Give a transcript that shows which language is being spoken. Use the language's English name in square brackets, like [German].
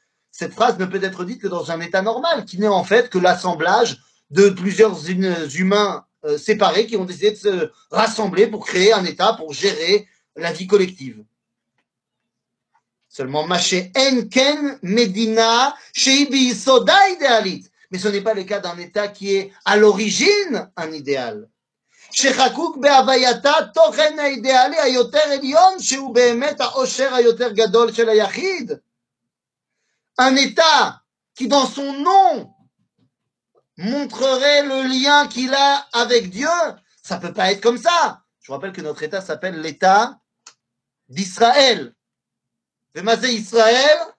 [French] Cette phrase ne peut être dite que dans un état normal, qui n'est en fait que l'assemblage de plusieurs humains séparés qui ont décidé de se rassembler pour créer un état, pour gérer la vie collective. Seulement, mais ce n'est pas le cas d'un état qui est à l'origine un idéal. [Hebrew] שחקוק בהווייתה תוכן האידיאלי היותר עליון שהוא באמת העושר היותר גדול של היחיד. [French] Un état qui dans son nom montrerait le lien qu'il a avec Dieu, ça peut pas être comme ça. Je vous rappelle que notre état s'appelle l'état d'Israël. [Hebrew] ומה זה ישראל?